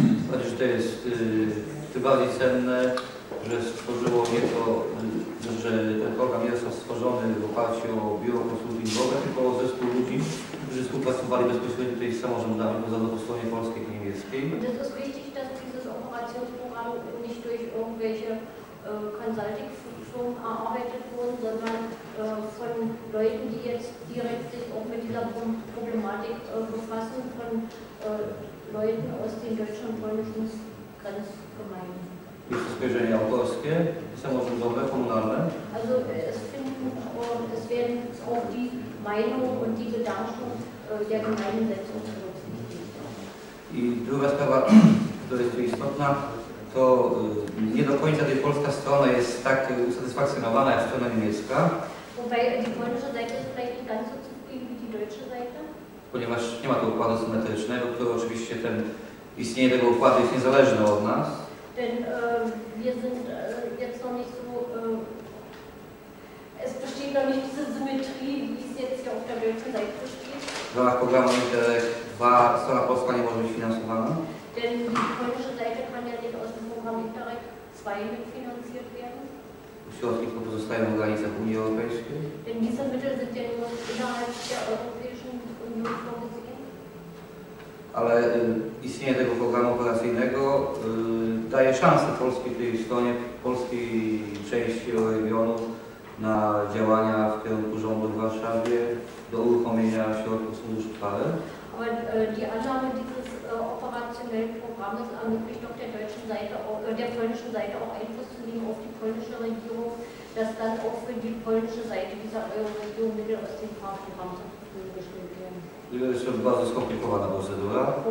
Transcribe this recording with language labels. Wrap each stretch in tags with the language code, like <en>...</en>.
<pl>Znaczy, że to jest tym bardziej cenne, że stworzyło nie to, że ten program jest stworzony w oparciu o biuro konsultingowe, tylko o zespół ludzi, którzy współpracowali bezpośrednio tutaj z samorządami, poza to po stronie polskiej i niemieckiej.</pl> <de>Das ist wichtig, dass dieses Operationsprogramm nicht durch irgendwelche Consulting-Funktionen erarbeitet wurden, sondern von Leuten, die jetzt direkt sich auch mit dieser Problematik befassen, von Leuten aus den deutschen und polnischen Grenzgemeinden.</de> <pl>Jest to spojrzenie autorskie, samorządowe, komunalne.</pl> <de>Also es werden auch die Meinung und die Gedanken der Gemeinde dazu berücksichtigt.</de> <pl>I druga sprawa, która jest tu istotna, to nie do końca tej polska strona jest tak usatysfakcjonowana jak strona niemiecka.</pl> <de>Wobei die polnische Seite ist vielleicht nicht ganz so zufrieden wie die deutsche Seite.</de> <pl>Ponieważ nie ma tu układu symetrycznego, który oczywiście ten istnienie tego układu jest niezależne od nas.</pl> <de>Denn wir sind jetzt noch nicht so, es besteht noch nicht diese Symmetrie, wie es jetzt hier auf der deutschen Seite besteht.</de> <pl>W ramach programu Interreg war strona polska nie może być finansowana.</pl> <de>Denn die polnische Seite kann ja nicht aus dem Programm Interreg 2 mitfinanziert werden.</de> <pl>Środki pozostają w granicach Unii Europejskiej.</pl> <de>Denn diese Mittel sind ja nur innerhalb der Europäischen Union vorgesehen.</de> <pl>Ale istnienie tego programu operacyjnego daje szansę polskiej tej stronie, polskiej części regionu na działania w kierunku rządu w Warszawie do uruchomienia środków funduszu trwale.</pl> <de>Ale die Annahme dieses operationellen Programmes ermöglicht auch der deutschen Seite, der polnischen Seite auch Einfluss zu nehmen auf die polnische Regierung, dass dann auch für die polnische Seite dieser Euro-Region Mittel aus dem Programm gestellt werden.</de> <pl>To jest bardzo skomplikowana procedura.</pl>